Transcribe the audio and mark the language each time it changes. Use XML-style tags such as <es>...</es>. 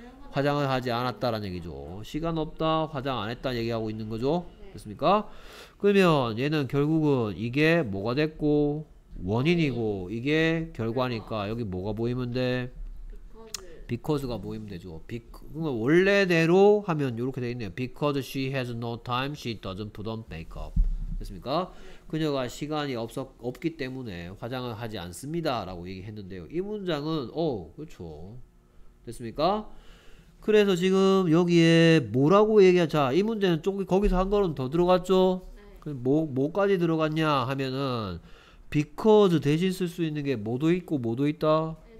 <ko>화장을 하지 않았다라는 얘기죠. 시간 없다, 화장 안 했다 얘기하고 있는 거죠. 됐습니까? 그러면 얘는 결국은 이게 뭐가 됐고 원인이고 이게 결과니까 여기 뭐가 보이면 돼? Because가 보이면 되죠. 그러니까 원래대로 하면 이렇게 되어 있네요.</ko> <en>Because she has no time, she doesn't put on makeup.</en> <ko>됐습니까? 그녀가 시간이 없기 때문에 화장을 하지 않습니다 라고 얘기했는데요. 이 문장은 그렇죠. 됐습니까? 그래서 지금 여기에 뭐라고 얘기하, 자, 이 문제는 조금 거기서 한 걸음 더 들어갔죠? 네. 뭐까지 들어갔냐 하면은 because 대신 쓸 수 있는 게 뭐도 있고 뭐도 있다?</ko>